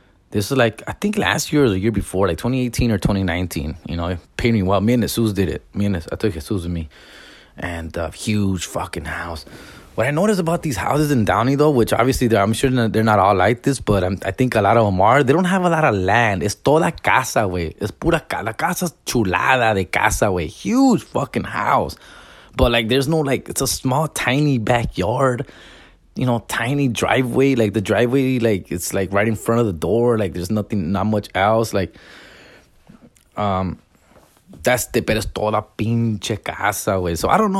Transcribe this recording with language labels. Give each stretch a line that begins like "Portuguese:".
English: This is like, I think last year or the year before, like 2018 or 2019, you know, it paid me well. Me and Jesus did it. I took Jesus with me. And a huge fucking house. What I noticed about these houses in Downey, though, which obviously I'm sure they're not all like this, but I think a lot of them are. They don't have a lot of land.
Spanish: It's toda casa, güey. Es pura casa. La casa es chulada de casa, güey.
English: Huge fucking house. But, like, there's no, like, it's a small, tiny backyard. You know, tiny driveway. Like, the driveway, like, it's, like, right in front of the door. Like, there's nothing, not much else. Like, that's the best toda pinche casa, güey. So I don't know.